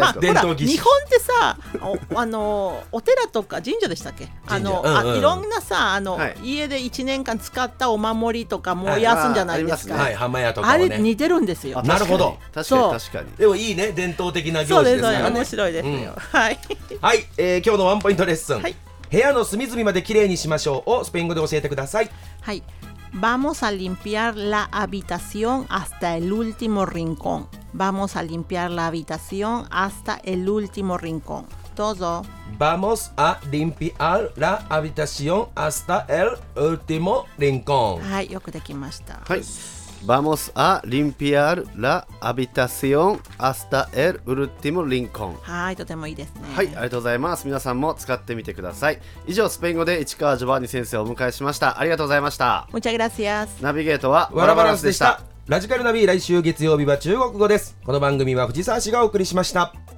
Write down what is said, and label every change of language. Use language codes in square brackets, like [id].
[ja] まあ、伝統技術。日本ってさ、お寺とか神社でしたっけ、あの、うんうん、あ、いろんなさ、あの、はい、家で1年間使ったお守りとか燃やすんじゃないですか。はい、浜屋とかね、あれ似てるんですよ。なるほど、確かに。でもいいね、伝統的な行事ですね。そうです、面白いですよ、うん、はい、今日のワンポイントレッスン、はい、部屋の隅々まで綺麗にしましょうをスペイン語で教えてください。はい、 [es] Vamos a limpiar la habitación hasta el último rincón. Vamos a limpiar la habitación hasta el último rincón. Todo. Vamos a limpiar la habitación hasta el último rincón. [ja] はい、よくできました。はい。 [es] Vamos a limpiar la habitación hasta el último rincón. [ja] はい、とてもいいですね。はい、ありがとうございます。皆さんも使ってみてください。以上、スペイン語で市川ジョバンニ先生をお迎えしました。ありがとうございました。 [es] Muchas gracias. [ja] ナビゲートはワラバランスでした。ラジカルナビ、来週月曜日は中国語です。この番組は藤沢市がお送りしました。